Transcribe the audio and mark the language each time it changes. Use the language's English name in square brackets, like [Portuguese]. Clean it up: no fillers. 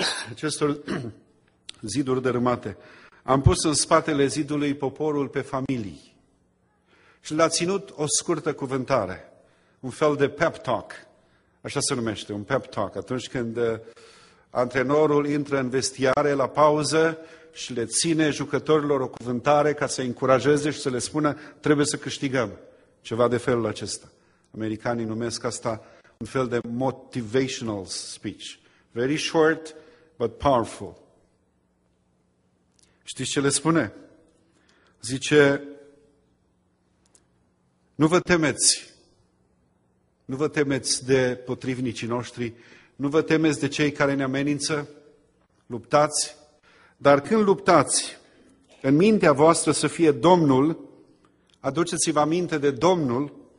[Romanian] acestor ziduri dărâmate, am pus în spatele zidului poporul pe familii și l-a ținut o scurtă cuvântare, un fel de pep talk, așa se numește, un pep talk, atunci când antrenorul intră în vestiare la pauză și le ține jucătorilor o cuvântare ca să-i încurajeze și să le spună trebuie să câștigăm, ceva de felul acesta. Americanii numesc asta un fel de motivational speech. [English] Very short, but powerful. [Romanian] Știți ce le spune? Zice, nu vă temeți, nu vă temeți de potrivnicii noștri, nu vă temeți de cei care ne amenință, luptați, dar când luptați, în mintea voastră să fie Domnul, aduceți-vă aminte de Domnul